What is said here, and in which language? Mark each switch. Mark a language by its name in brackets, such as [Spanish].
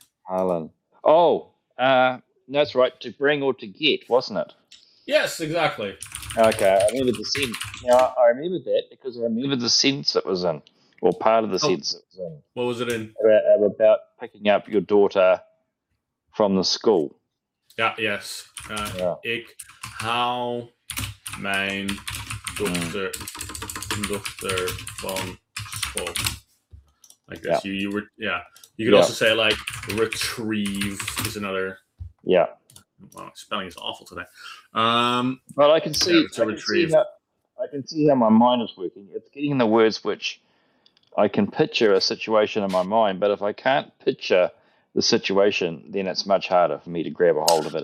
[English] Halen. Oh, that's right. To bring or to get, wasn't it? Yes, exactly. Okay, I remember the sentence. Now, I remember that because I remember the sentence it was in, or part of the sentence it was in. What was it in? About picking up your daughter from the school. Yeah, yes. [Dutch] Ik haal mijn dochter van school. [English] Like this. You could also say like retrieve is another. Yeah. Wow, spelling is awful today. But I can see I can see how my mind is working. It's getting the words which I can picture a situation in my mind, but if I can't picture the situation, then it's much harder for me to grab a hold of it.